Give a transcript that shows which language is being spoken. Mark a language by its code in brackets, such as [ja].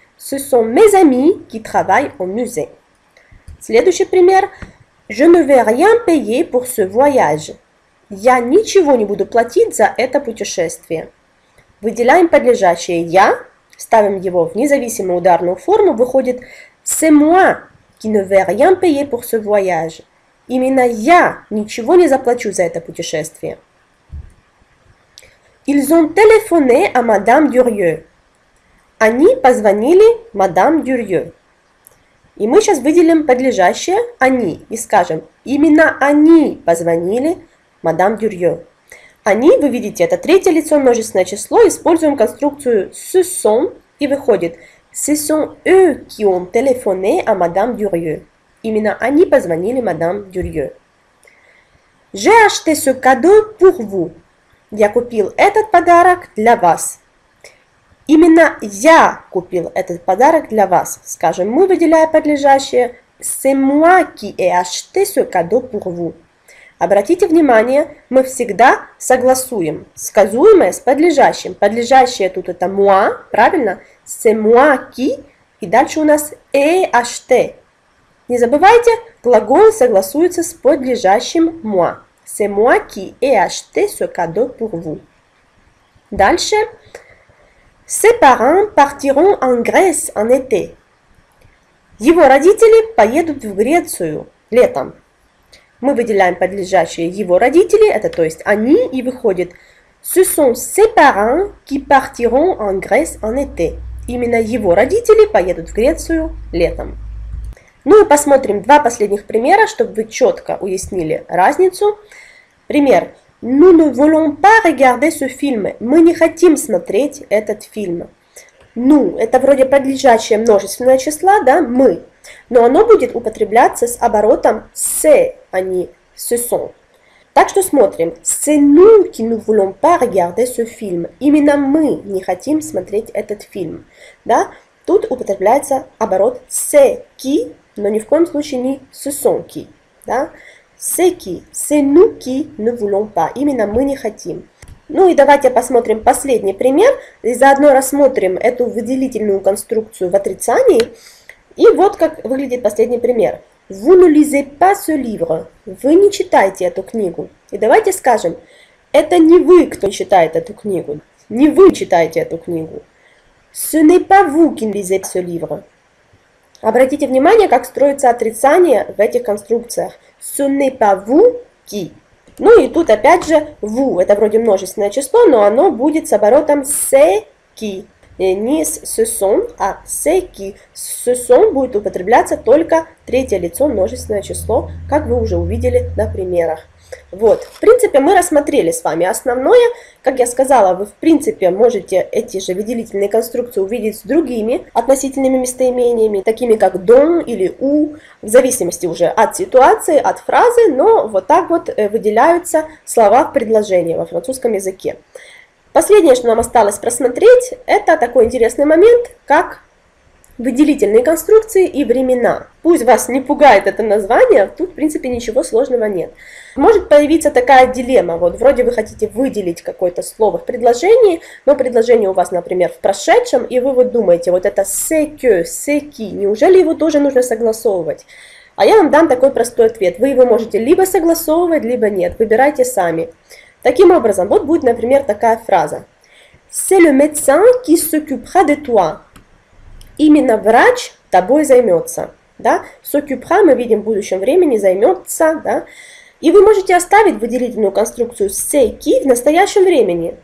[fr] «Ce sont mes amis qui travaillent au musée». [ru] Следующий пример. [fr] «Je ne vais rien payer pour ce voyage». [ru] «Я ничего не буду платить за это путешествие». Выделяем подлежащее «я», ставим его в независимую ударную форму, выходит [fr] «c'est moi». Qui ne va rien payer pour ce voyage. [ru] Именно я ничего не заплачу за это путешествие. [fr] Ils ont téléphoné à Madame Durieux. [ru] Они позвонили Madame Durieux. И мы сейчас выделим подлежащее «они» и скажем «именно они позвонили Madame Durieux». «Они», вы видите, это третье лицо множественное число, используем конструкцию [fr] «ce sont» [ru] и выходит [fr] «Ce sont eux qui ont téléphoné à Madame Durieux». [ru] Именно они позвонили Madame Durieux. [fr] «J'ai acheté ce cadeau pour vous». [ru] Я купил этот подарок для вас. Именно я купил этот подарок для вас. Скажем, мы выделяя подлежащее [fr] «C'est moi qui ai acheté ce cadeau pour vous». [ru] Обратите внимание, мы всегда согласуем сказуемое с подлежащим. Подлежащее тут это «moi», правильно? [fr] C'est moi qui, [ru] и дальше у нас acheté. Не забывайте, глагол согласуется с подлежащим moi. [fr] C'est moi qui ai acheté ce cadeau pour vous. [ru] Дальше. [fr] Ses parents partiront en Grèce en été. [ru] Его родители поедут в Грецию летом. Мы выделяем подлежащее его родители, это то есть они, и выходит [fr] Ce sont ses parents qui partiront en Grèce en été. [ru] Именно его родители поедут в Грецию летом. Ну и посмотрим два последних примера, чтобы вы четко уяснили разницу. Пример. [fr] Nous ne voulons pas regarder ce film. [ru] Мы не хотим смотреть этот фильм. Ну, это вроде подлежащее множественное число, да, мы. Но оно будет употребляться с оборотом «se», а не [fr] «se sont». [ru] Так что смотрим. [fr] C'est nous qui ne voulons pas regarder ce film. [ru] Именно мы не хотим смотреть этот фильм. Да? Тут употребляется оборот [fr] c'est qui, [ru] но ни в коем случае не [fr] ce sont qui. Да? C'est qui. C'est nous qui ne voulons pas. [ru] Именно мы не хотим. Ну и давайте посмотрим последний пример. И заодно рассмотрим эту выделительную конструкцию в отрицании. И вот как выглядит последний пример. [fr] Vous ne lisez pas ce livre. [ru] Вы не читаете эту книгу. И давайте скажем, это не вы, кто читает эту книгу. Не вы читаете эту книгу. [fr] Ce n'est pas vous qui lisez ce livre. [ru] Обратите внимание, как строится отрицание в этих конструкциях. [fr] Ce n'est pas vous qui. [ru] Ну и тут опять же vous. Это вроде множественное число, но оно будет с оборотом [fr] c'est qui. Не «ce sont», а «c'est qui». «Ce sont» [ru] будет употребляться только третье лицо, множественное число, как вы уже увидели на примерах. Вот, в принципе, мы рассмотрели с вами основное. Как я сказала, вы, в принципе, можете эти же выделительные конструкции увидеть с другими относительными местоимениями, такими как «don» или «у», в зависимости уже от ситуации, от фразы, но вот так вот выделяются слова в предложении во французском языке. Последнее, что нам осталось просмотреть, это такой интересный момент, как выделительные конструкции и времена. Пусть вас не пугает это название, тут, в принципе, ничего сложного нет. Может появиться такая дилемма, вот вроде вы хотите выделить какое-то слово в предложении, но предложение у вас, например, в прошедшем, и вы вот думаете, вот это [fr] «c'est que», «c'est qui», [ru] неужели его тоже нужно согласовывать? А я вам дам такой простой ответ. Вы его можете либо согласовывать, либо нет. Выбирайте сами. Таким образом, вот будет, например, такая фраза. [fr] C'est le médecin qui s'occupera de toi. [ru] Именно врач тобой займется. Да? S'occupera мы видим в будущем времени, займется. Да? И вы можете оставить выделительную конструкцию [fr] c'est qui [ru] в настоящем времени.